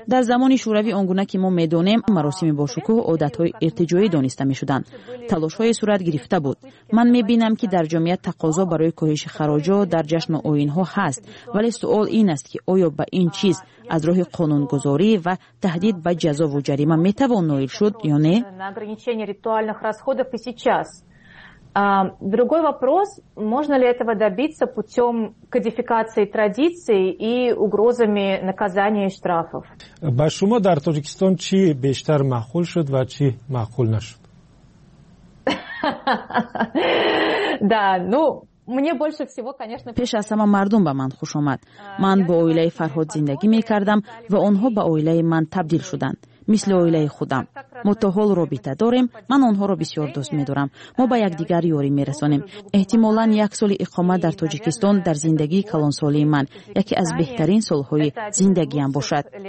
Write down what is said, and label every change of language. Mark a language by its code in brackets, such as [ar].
[fa] در زمان شوروی آنگونه که ما میدونیم، مراسم باشکوه عادت های ارتجایی دانسته میشدند. تلاش های صورت گرفته بود. من میبینم که در جامعه تقاضا برای کاهش خراج ها در جشن و آیین ها هست، ولی سوال این است که آیا به این چیز از راه قانون گذاری و تهدید به جزا و جریمه می توان نائل شد یا نه؟ [ru] на ограничение ритуальных расходов и сейчас. Другой вопрос, можно ли этого добиться путём кодификации традиций и угрозами наказания и штрафов. [tg] Ба шумо дар Тоҷикистон чи бештар маъқул шуд ва чи маъқул нашуд? [ru] Да, ну мне больше всего, конечно, [tg] пеш аз сама мардум ба ман хуш омад. Ман бо оилаи Фарҳод зиндагӣ мекардам ва онҳо ба оилаи ман табдил шуданд. [fa] مثل اویله خودم. ما تا حال رابطه داریم. من آنها را بسیار دوست می دارم. ما با یک دیگر یاری می رسانیم. احتمالاً یک سال اقامت در تاجیکستان در زندگی کلان سالی من یکی از بهترین سالهای زندگی هم باشد.